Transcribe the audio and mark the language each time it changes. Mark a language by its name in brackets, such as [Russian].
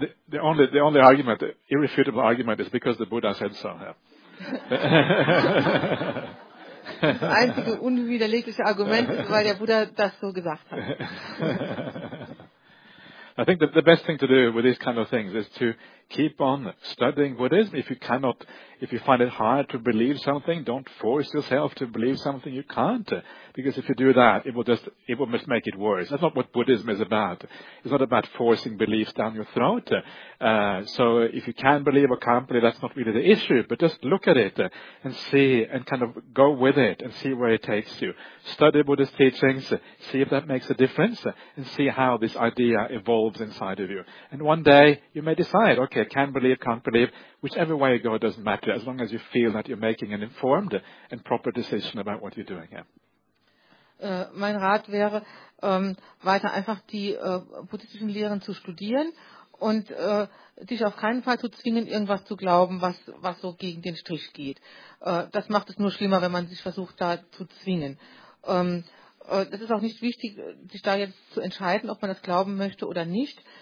[English] the only argument, the irrefutable argument, is because the Buddha said so. Yeah. [German] Das einzige unwiderlegliche Argument ist, weil der Buddha das so gesagt hat. [English] I think that the best thing to do with these kind of things is to keep on studying Buddhism. If you find it hard to believe something, don't force yourself to believe something you can't. Because if you do that, it will just make it worse. That's not what Buddhism is about. It's not about forcing beliefs down your throat. So if you can believe or can't believe, that's not really the issue. But just look at it and see, and kind of go with it and see where it takes you. Study Buddhist teachings, see if that makes a difference, and see how this idea evolves inside of you. And one day you may decide, okay, can believe, can't believe, whichever way you go, it doesn't matter, as long as you feel that you're making an informed and proper decision about what you're doing. Yeah. [German] Mein Rat wäre, weiter einfach die buddhistischen Lehren zu studieren und dich auf keinen Fall zu zwingen, irgendwas zu glauben, was so gegen den Strich geht. Das macht es nur schlimmer, wenn man sich versucht, da zu zwingen. Das ist auch nicht wichtig, sich da jetzt zu entscheiden, ob man das glauben möchte oder nicht.